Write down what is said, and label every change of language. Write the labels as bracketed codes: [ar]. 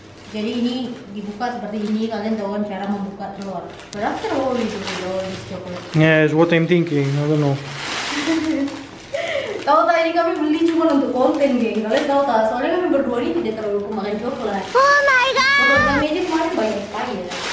[ms] Jadi ini dibuka seperti ini, kalian tahu kan cara membuka telur. [en] But after all, this is coklat. Yes, what I'm thinking, I don't know. [ms] Tahu tak, ini kami beli cuma untuk konten, geng. Kalian tahu tak, soalnya kami berdua ini tidak terlalu suka makan coklat. [en] Oh my god. [ms] Kalau kami ini kemarin banyak sekali ya.